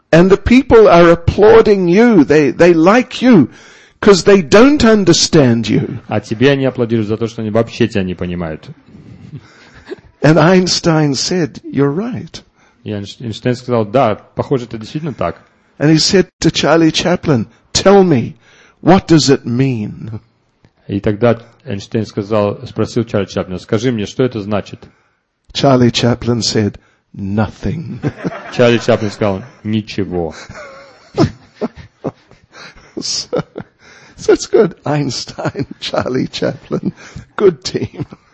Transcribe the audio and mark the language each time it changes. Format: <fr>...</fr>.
<en>And the people are applauding you. They like you. Because they don't understand you.</en> <ru>А тебе они аплодируют за то, что они вообще тебя не понимают.</ru> <en>And Einstein said, you're right.</en> <ru>И Эйнштейн сказал, да, похоже, это действительно так.</ru> <en>And he said to Charlie Chaplin, tell me, what does it mean?</en> <ru>И тогда Эйнштейн сказал, спросил Чарли Чаплина, скажи мне, что это значит?</ru> <en>Charlie Chaplin said, nothing.</en> <ru>Чарли Чаплин сказал, ничего.</ru> <en>So it's good. Einstein, Charlie Chaplin. Good team.</en>